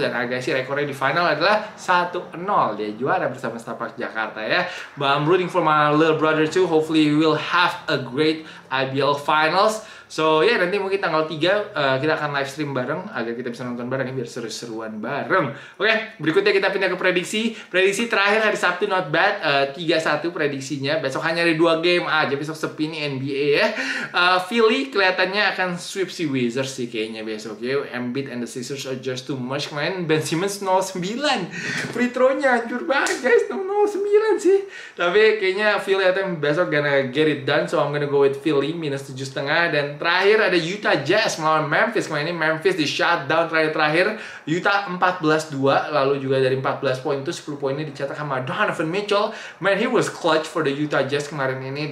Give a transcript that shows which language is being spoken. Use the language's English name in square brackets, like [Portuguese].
[Indonesian] Dan Agassi rekornya di final adalah 1-0. Dia juara bersama Setapak Jakarta ya. [English] But I'm rooting for my little brother too. Hopefully he will have a great IBL Finals. [Indonesian] So ya yeah, nanti mungkin tanggal 3 kita akan live stream bareng agar kita bisa nonton bareng ya, biar seru-seruan bareng. Oke, okay, berikutnya kita pindah ke prediksi. Prediksi terakhir hari Sabtu, [English] not bad. [Indonesian] 3-1 prediksinya. Besok hanya ada 2 game aja, besok sepi nih NBA ya. Philly kelihatannya akan sweep si Wizards sih kayaknya besok. [English] Okay, Embiid and the Sixers are just too much. [Indonesian] Kemarin Ben Simmons 0-9. Free throw-nya hancur banget guys, 0-9 sih. Tapi kayaknya Philly akan besok [English] gonna get it done. So I'm gonna go with Philly minus 7.5. [Indonesian] Dan terakhir ada Utah Jazz melawan Memphis. Kemarin ini Memphis di shutdown terakhir-terakhir. Utah 14-2. Lalu juga dari 14 poin itu 10 poinnya dicetak sama Donovan Mitchell. [English] Man, he was clutch for the Utah Jazz [Indonesian] kemarin ini.